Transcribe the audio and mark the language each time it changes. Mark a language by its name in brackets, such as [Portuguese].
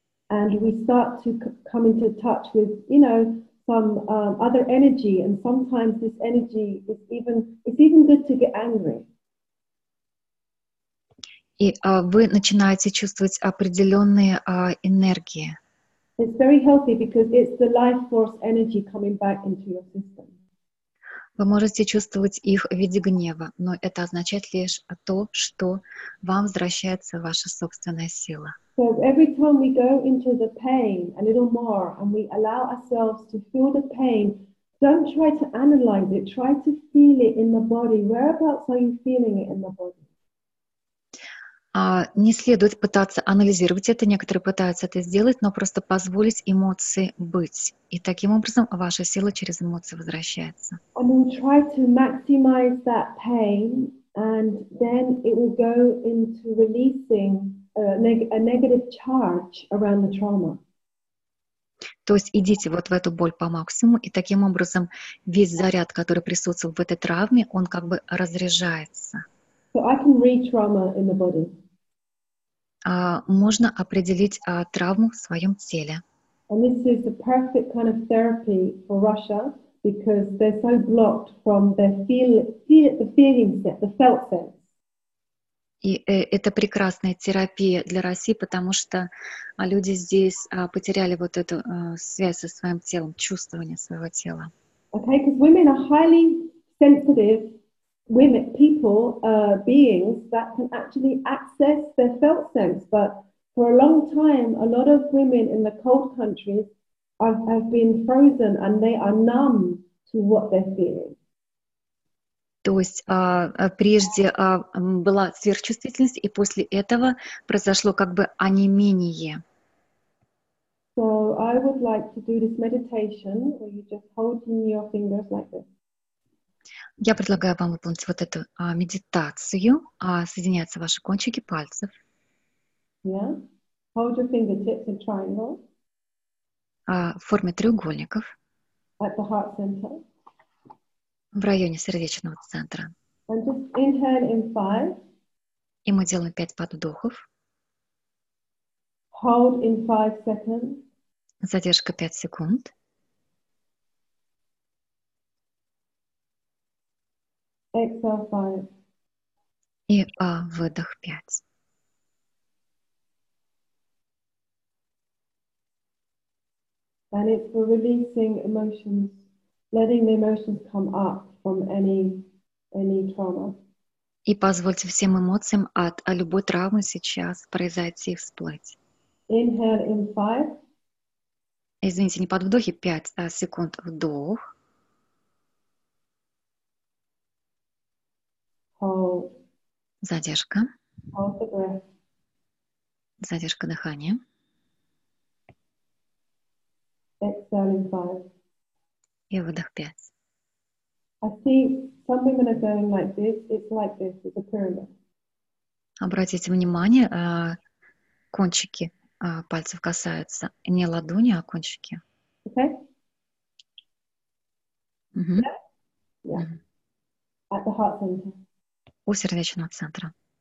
[English] And we start to come into touch with, you know, some other energy, and sometimes this energy is even good to get angry. [Russian] И вы начинаете чувствовать определенные энергии. [English] It's very healthy because it's the life force energy coming back into your system. [Russian] Вы можете чувствовать их в виде гнева, но это означает лишь то, что вам возвращается ваша собственная сила. [English] So every time we go into the pain a little more and we allow ourselves to feel the pain, don't try to analyze it, try to feel it in the body. Whereabouts are you feeling it in the body? [Russian] Не следует пытаться анализировать это, некоторые пытаются это сделать, но просто позволить эмоции быть. И таким образом ваша сила через эмоции возвращается. [English] And we'll try to maximize that pain, and then it will go into releasing a negative charge around the trauma. [Russian] То есть идите вот в эту боль по максимуму, и таким образом весь заряд, который присутствовал в этой травме, он как бы разряжается. [English] So I can read trauma in the body. [Russian] Можно определить травму в своем теле. [English] And this is the perfect kind of therapy for Russia because they're so blocked from their feeling sense, the felt sense. [Russian] И это прекрасная терапия для России, потому что люди здесь потеряли вот эту связь со своим телом, чувствование своего тела. [English] Okay, because women are highly sensitive. Women, people, beings that can actually access their felt sense. But for a long time, a lot of women in the cold countries have been frozen and they are numb to what they're feeling. [Russian] То есть прежде была сверхчувствительность, и после этого произошло как бы онемение. [English] So I would like to do this meditation where you just hold in your fingers like this. [Russian] Я предлагаю вам выполнить вот эту медитацию. Соединяются ваши кончики пальцев. [English] Yeah. Hold your fingertips in triangle. [Russian] В форме треугольников. [English] At the heart center. [Russian] В районе сердечного центра. [English] And just inhale in five. [Russian] И мы делаем 5 подвдохов. [English] Hold in 5 seconds. [Russian] Задержка 5 секунд. [English] Exhale 5. [Russian] И выдох 5. [English] And it's for releasing emotions, letting the emotions come up from any trauma. [Russian] И позвольте всем эмоциям от любой травмы сейчас произойти и всплыть. [English] Inhale in 5. [Russian] Извините, не под вдохи, 5 секунд вдох. [English] Hold. [Russian] Задержка. [English] Hold the breath. [Russian] Задержка дыхания. [English] Exhale in 5. [Russian] И выдох 5. [English] I see some women are going like this. It's like this. It's a pyramid. [Russian] Обратите внимание, кончики пальцев касаются не ладони, а кончики. [English] Okay. Mm-hmm. Yeah. At the heart center. [Russian] У сердечного центра.